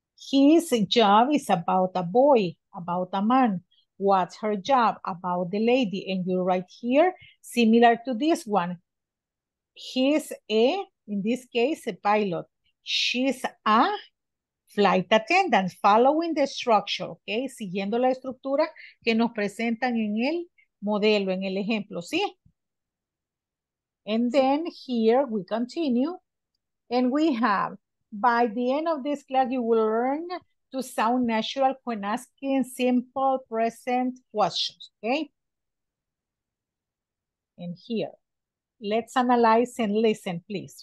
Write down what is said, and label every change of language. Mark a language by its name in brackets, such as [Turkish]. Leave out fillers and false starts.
[English] His job is about a boy, about a man. What's her job? About the lady. And you write here, similar to this one. He's a, in this case, a pilot. She's a flight attendant, following the structure, okay? [Spanish] Siguiendo la estructura que nos presentan en el modelo, en el ejemplo, ¿sí? [English] And then here we continue. And we have, by the end of this class, you will learn to sound natural when asking simple present questions, okay? And here, let's analyze and listen, please.